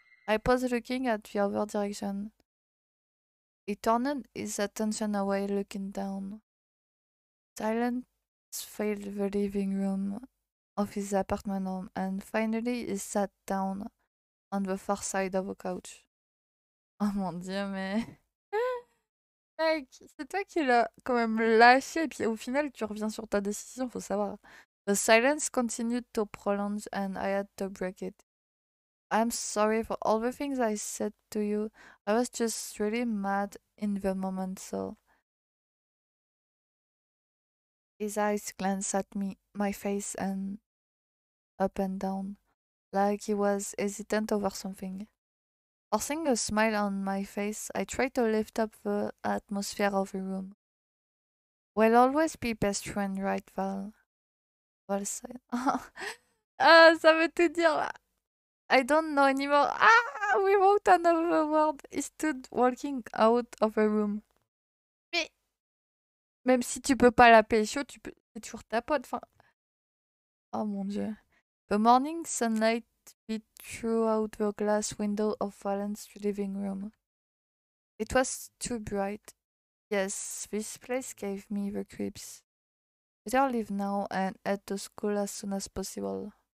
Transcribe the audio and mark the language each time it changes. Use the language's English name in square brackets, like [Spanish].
[English] I paused, looking at the other direction. He turned his attention away, looking down. Silence filled the living room of his apartment home, and finally he sat down on the far side of a couch. [French] Oh mon Dieu, mais. Mec, c'est toi qui l'as quand même lâché, et puis au final, tu reviens sur ta décision, faut savoir. [English] The silence continued to prolong, and I had to break it. I'm sorry for all the things I said to you. I was just really mad in the moment, so. His eyes glanced at me, my face, and up and down, like he was hesitant over something. Forcing a smile on my face, I tried to lift up the atmosphere of the room. We'll always be best friends, right, Val? Val said. [French] Ah, ça veut tout dire là. [English] I don't know anymore. Ah, without another word, he stood walking out of the room. [French] Même si tu peux pas la pécho, tu peux. C'est toujours ta pote, enfin. Oh mon Dieu. [English] The morning sunlight beat through the glass window of Valen's living room. It was too bright. Yes, this place gave me the creeps. Better leave now and head to school as soon as possible.